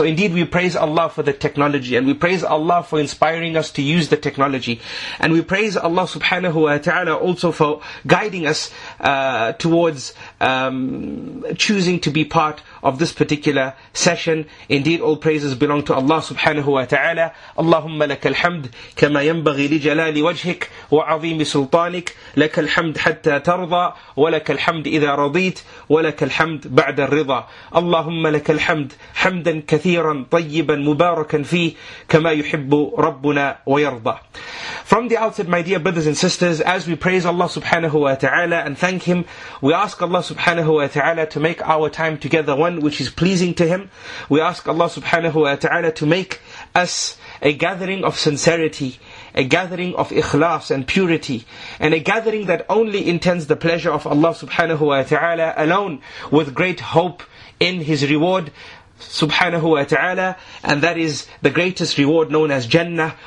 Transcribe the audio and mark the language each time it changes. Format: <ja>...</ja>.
<en>So indeed we praise Allah for the technology, and we praise Allah for inspiring us to use the technology, and we praise Allah subhanahu wa ta'ala also for guiding us towards choosing to be part of this particular session. Indeed all praises belong to Allah subhanahu wa ta'ala.</en> <ar>Allahumma lakal hamd kama yanbaghi li jalali wajhik wa 'azimi sultanik, lakal hamd hatta tarda wa lakal hamd idha radit ولك الحمد بعد الرضا. اللهم لك الحمد حمدا كثيرا طيبا مباركا فيه كما يحب ربنا ويرضى.</ar> <en>From the outset, my dear brothers and sisters, as we praise Allah subhanahu wa ta'ala and thank Him, we ask Allah subhanahu wa ta'ala to make our time together one which is pleasing to Him. We ask Allah subhanahu wa ta'ala to make us a gathering of sincerity, a gathering of ikhlas and purity, and a gathering that only intends the pleasure of Allah subhanahu wa ta'ala alone, with great hope in His reward subhanahu wa ta'ala, and that is the greatest reward known as Jannah.</en>